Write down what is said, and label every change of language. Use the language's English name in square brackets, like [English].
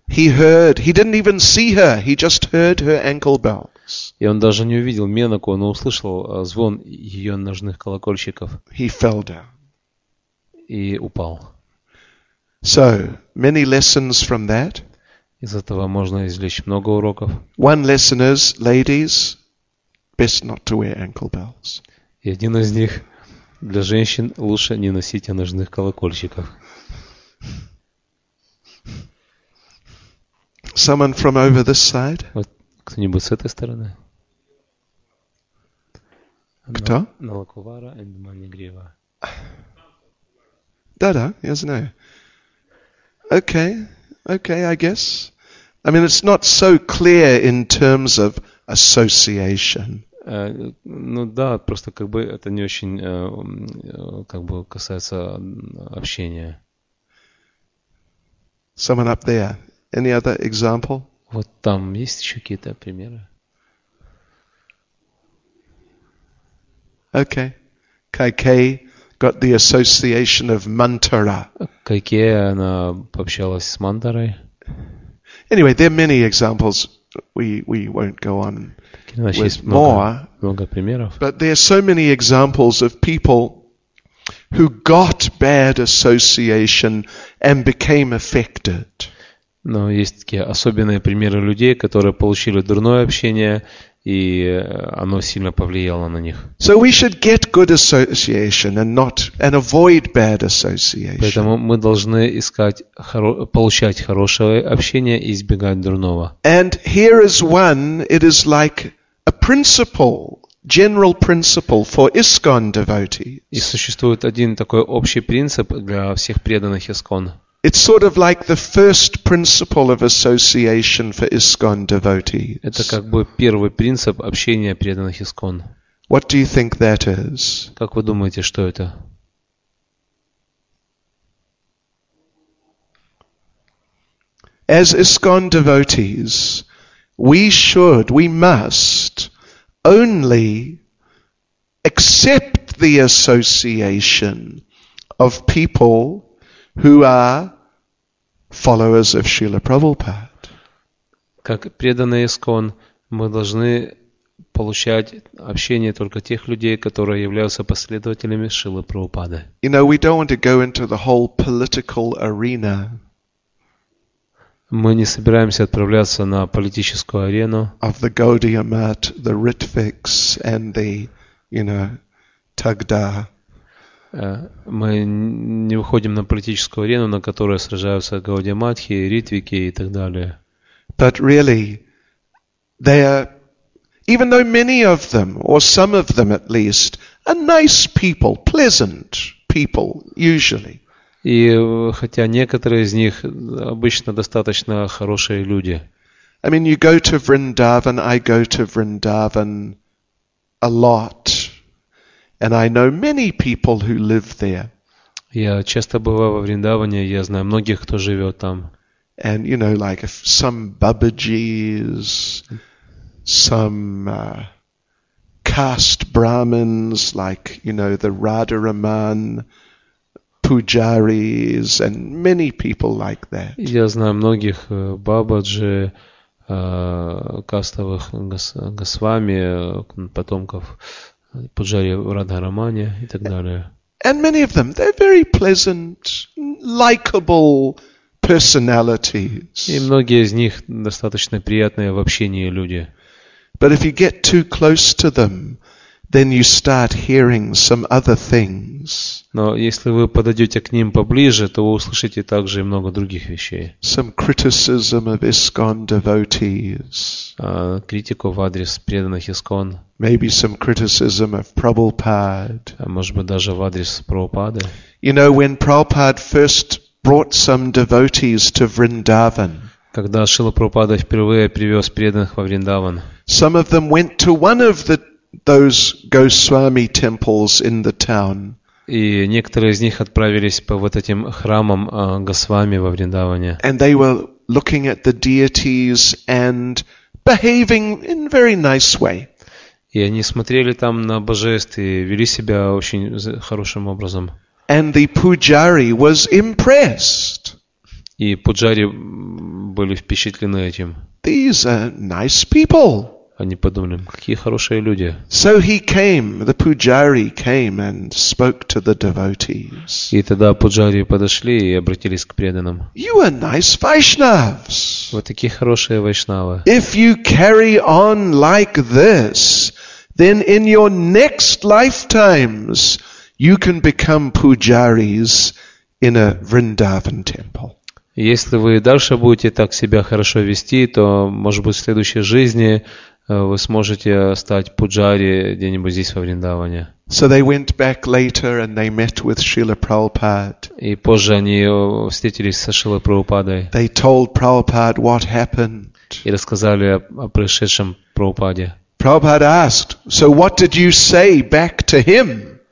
[English] He didn't even see her, he just heard her ankle bells. [Russian] И он даже не увидел Менаку, но услышал звон ее ножных колокольчиков. [English] He fell down. [Russian] И упал. [English] So, many lessons from that. [Russian] Из этого можно извлечь много уроков. [English] One lesson is, ladies, best not to wear ankle bells. [Russian] И один из них, для женщин лучше не носить ножных колокольчиков. [English] Someone from over this side? [Russian] Вот кто-нибудь с этой стороны? Кто? Налаковара and Манигрива. Да, я знаю. [English] Okay, I guess. I mean, it's not so clear in terms of association. [Russian] Да, просто как бы это не очень как бы касается общения. [English] Someone up there. Any other example? [Russian] Вот там есть еще какие-то примеры? [English] Okay. Кайкей got the association of Mantara. [Russian] Кайкей, она пообщалась с Мантарой. [English] Anyway, there are many examples. We won't go on with [Russian] много примеров. [English] But there are so many examples of people who got bad association and became affected. [Russian] Но есть такие особенные примеры людей, которые получили дурное общение, и оно сильно повлияло на них. [English] So we should get good association and avoid bad association. [Russian] Поэтому мы должны искать получать хорошее общение и избегать дурного. [English] And here is one, it is like a principle. General principle for ISKCON devotees. [Russian] И существует один такой общий принцип для всех преданных ISKCON. [English] It's sort of like the first principle of association for ISKCON devotees. [Russian] Это как бы первый принцип общения преданных ISKCON. [English] What do you think that is? [Russian] Как вы думаете, что это? [English] As ISKCON devotees, we should, we must only accept the association of people who are followers of Srila Prabhupada. [Russian] Как преданные ISKCON, мы должны получать общение только тех людей, которые являются последователями Шрилы Прабхупады. [English] You know, we don't want to go into the whole political arena. [Russian] Мы не собираемся отправляться на политическую арену. [English] Of the Gaudiya Mutt, the Ritvix, and the, you know, Tugda. [Russian] Мы не выходим на политическую арену, на которой сражаются Гаудия Матхи, Ритвики и так далее. [English] But really, they are, even though many of them, or some of them at least, are nice people, pleasant people, usually. [Russian] И хотя некоторые из них обычно достаточно хорошие люди. [English] I mean, you go to Vrindavan, I go to Vrindavan a lot. And I know many people who live there. [Russian] Я часто бываю во Вриндаване, я знаю многих, кто живет там. [English] And, you know, like some Babaji's, some caste Brahmins, like, you know, the Radharaman, Pujaris, and many people like that. [Russian] Я знаю многих Бабаджи, кастовых Госвами, потомков Пуджари в Радхарамане и так далее. [English] And many of them, they're very pleasant, likable personalities. [Russian] И многие из них достаточно приятные в общении люди. [English] But if you get too close to them, then you start hearing some other things. [Russian] Но если вы подойдете к ним поближе, то вы услышите также и много других вещей. [English] Some criticism of ISKCON devotees. [Russian] Критику в адрес преданных ISKCON. [English] Maybe some criticism of Prabhupada. [Russian] Может быть даже в адрес Прабхупады. [English] You know, when Prabhupada first brought some devotees to Vrindavan. [Russian] Когда Шрила Прабхупада впервые привез преданных во Вриндаван. [English] Some of them went to one of the those Goswami temples in the town. [Russian] И некоторые из них отправились по вот этим храмам Госвами во Вриндаване. [English] And they were looking at the deities and behaving in a very nice way. [Russian] И они смотрели там на божеств и вели себя очень хорошим образом. [English] And the pujari was impressed. [Russian] И пуджари были впечатлены этим. [English] These are nice people. [Russian] Они подумали, какие хорошие люди. [English] So he came, the pujari came and spoke to the devotees. [Russian] И тогда пуджари подошли и обратились к преданным. [English] You are nice Vaishnavs. [Russian] Вы такие хорошие вайшнавы. [English] If you carry on like this, then in your next lifetimes you can become pujaris in a Vrindavan temple. [Russian] Если вы дальше будете так себя хорошо вести, то, может быть, в следующей жизни вы сможете стать пуджари где-нибудь здесь во Вриндаване. [English] So they went back later and they met with Srila Prabhupada. [Russian] И позже они встретились со Шрилой Прабхупадой. [English] They told Prabhupada what happened. [Russian] И рассказали о происшедшем Прабхупаде. [English] Prabhupada asked, "So what did you say back to him?"